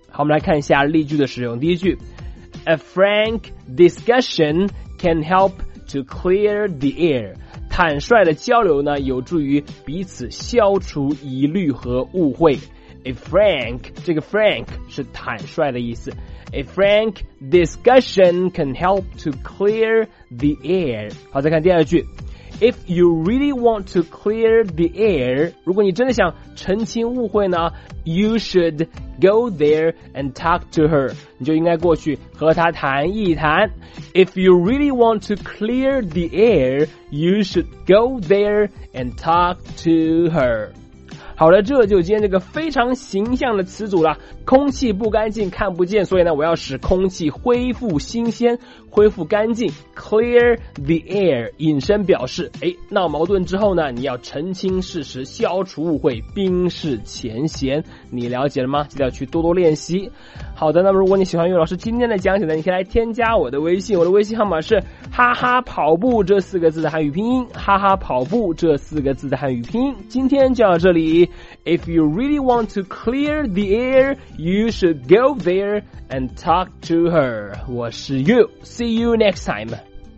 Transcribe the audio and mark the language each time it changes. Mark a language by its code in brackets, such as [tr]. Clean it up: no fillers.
[zh] 好，我们来看一下例句的使用。第一句， [en] A frank discussion can help to clear the air， [zh] 坦率的交流呢有助于彼此消除疑虑和误会。 A frank， 这个 frank 是坦率的意思。 [en] A frank discussion can help to clear the air。 [zh] 好，再看第二句， [en] If you really want to clear the air， [zh] 如果你真的想澄清误会呢， [en] You should go there and talk to her， [zh] 你就应该过去和她谈一谈。 [en] If you really want to clear the air， You should go there and talk to her。 [zh] 好了，这就今天这个非常形象的词组了。空气不干净看不见，所以呢我要使空气恢复新鲜，恢复干净， [en] clear the air， [zh] 引申表示闹矛盾之后呢你要澄清事实，消除误会，冰释前嫌。你了解了吗？记得要去多多练习。好的，那么如果你喜欢岳老师今天的讲解呢，你可以来添加我的微信，我的微信号码是哈哈跑步这四个字的汉语拼音，哈哈跑步这四个字的汉语拼音。今天就到这里。 [en] If you really want to clear the air, you should go there and talk to her. [zh] 我是 [en] You. See you next time.